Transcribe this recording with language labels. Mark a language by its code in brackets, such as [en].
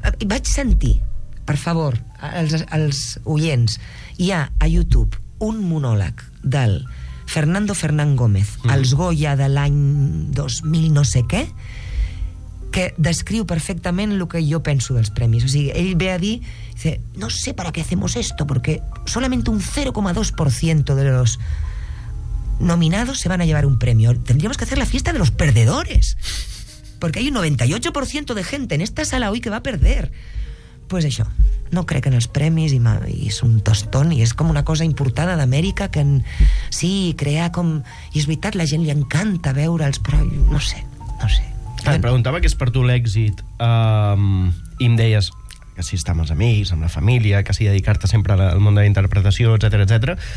[ca] Vaig sentir, per favor, els oients, hi ha a YouTube un monòleg del Fernando Fernán Gómez, als Goya de l'any 2000 no sé què, que descriu perfectament el que jo penso dels premis. O sigui, ell ve a dir, [es] dice, no sé para qué hacemos esto, porque solamente un 0,2% de los nominados se van a llevar un premio. Tendríamos que hacer la fiesta de los perdedores, porque hay un 98% de gente en esta sala hoy que va a perder. [ca] Pues això, no crec en els premis i és un tostón i és com una cosa importada d'Amèrica que en, sí, crea com... I és veritat, la gent li encanta veure'ls, però no sé, no sé. Et preguntava què és per tu l'èxit i em deies que si estar amb els amics, amb la família, que si dedicar-te sempre al món de la interpretació, etc, etc.